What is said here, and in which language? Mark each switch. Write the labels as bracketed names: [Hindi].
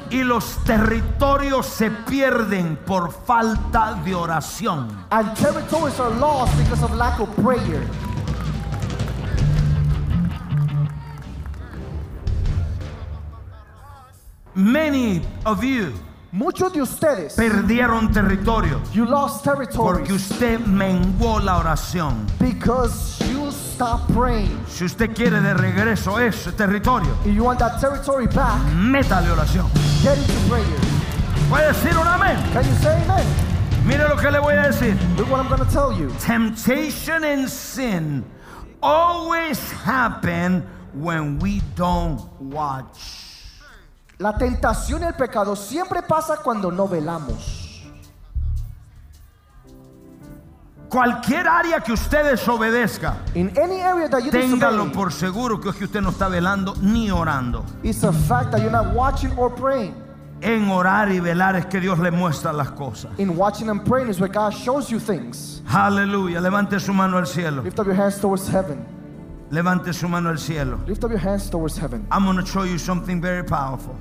[Spanish] Y los territorios se pierden por falta de oración. [English] And territories are lost because of lack of prayer. Many of you, [Spanish] muchos de ustedes, perdieron territorio. [English] You lost territory. [Spanish] Porque usted menguó la oración. [English] Because you stop praying. [Spanish] Si usted quiere de regreso ese territorio, [English] if you want that territory back, [Spanish] métale oración. [English] Get into prayer. [Spanish] ¿Puede decir un amén? [English] Can you say amen? [Spanish] Mire lo que le voy a decir. [English] Look what I'm going to tell you. Temptation and sin always happen when we don't watch. [Spanish] La tentación y el pecado siempre pasa cuando no velamos. Cualquier área que usted desobedezca, [English] in any area that you [Spanish] téngalo [English] disobey, [Spanish] por seguro que usted no está velando ni orando. [English] It's a fact that you're not watching or praying. [Spanish] En orar y velar es que Dios le muestra las cosas. [English] In watching and praying is where God shows you things. [Spanish] Aleluya, levante su mano al cielo. [English] Lift up your hands towards heaven. [Spanish] Levante su mano al cielo. [English] Lift up your hands towards heaven. I'm going to show you something very powerful.